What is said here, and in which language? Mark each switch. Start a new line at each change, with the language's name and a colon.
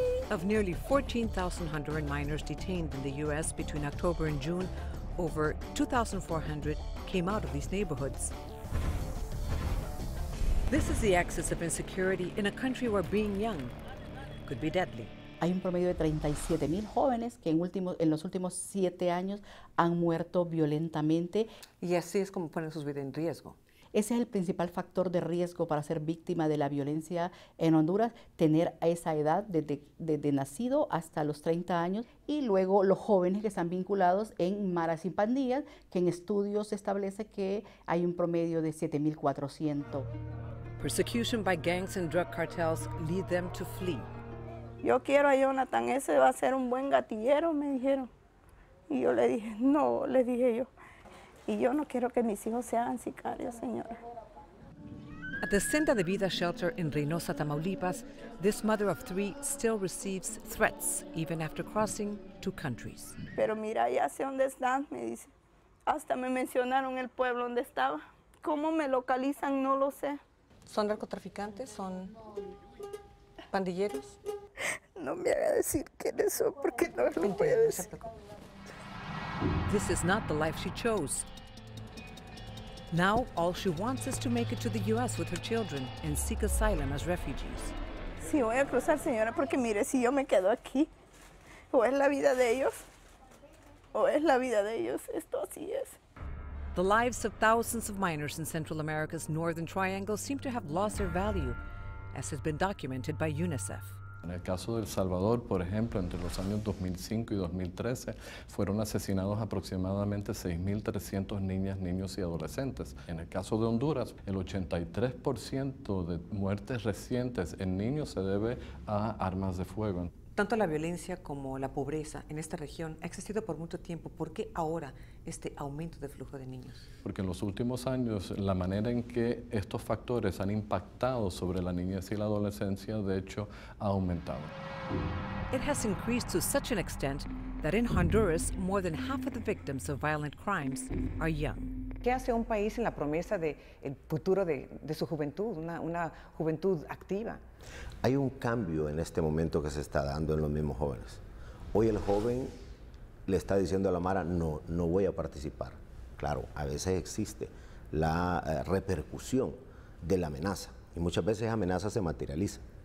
English: Of nearly 14,000 Honduran miners detained in the U.S. between October and June, over 2,400 came out of these neighborhoods. This is the axis of insecurity in a country where being young could be deadly.
Spanish: Hay un promedio de 37,000 jóvenes que en los últimos 7 años han muerto violentamente. Y así es como ponen sus vidas en riesgo. Ese es el principal factor de riesgo para ser víctima de la violencia en Honduras, tener a esa edad desde nacido hasta los 30 años, y luego los jóvenes que están vinculados en maras y pandillas, que en estudios se establece que hay un promedio de 7,400.
English: Persecution by gangs and drug cartels lead them to flee.
Spanish: Yo quiero a Jonathan, ese va a ser un buen gatillero, me dijeron. Y yo le dije, no, le dije yo. Y yo no quiero que mis hijos sean sicarios, señora.
English: At the Senda de Vida shelter in Reynosa, Tamaulipas, this mother of three still receives threats even after crossing two countries.
Spanish: Pero mira, ya sé dónde están, me dice. Hasta me mencionaron el pueblo donde estaba. ¿Cómo me localizan? No lo sé. ¿Son narcotraficantes? ¿Son pandilleros? No me haga decir quiénes son porque no lo voy a decir.
English: This is not the life she chose. Now, all she wants is to make it to the U.S. with her children and seek asylum as refugees.
Spanish: Sí, voy a cruzar, señora, porque mire, si yo me quedo aquí, o es la vida de ellos, o es la vida de ellos, esto así es.
English: The lives of thousands of miners in Central America's Northern Triangle seem to have lost their value, as has been documented by UNICEF.
Spanish: En el caso de El Salvador, por ejemplo, entre los años 2005 y 2013, fueron asesinados aproximadamente 6,300 niñas, niños y adolescentes. En el caso de Honduras, el 83% de muertes recientes en niños se debe a armas de fuego. Tanto la violencia como la pobreza en esta región ha existido por mucho tiempo. ¿Por qué ahora este aumento del flujo de niños? Porque en los últimos años, la manera en que estos factores han impactado sobre la niñez y la adolescencia, de hecho, ha aumentado.
English: It has increased to such an extent that in Honduras, more than half of the victims of violent crimes are young.
Spanish: ¿Qué hace un país en la promesa del futuro de su juventud, una juventud activa? Hay un cambio en este momento que se está dando en los mismos jóvenes. Hoy el joven le está diciendo a la mara, no, no voy a participar. Claro, a veces existe la repercusión de la amenaza y muchas veces esa amenaza se materializa.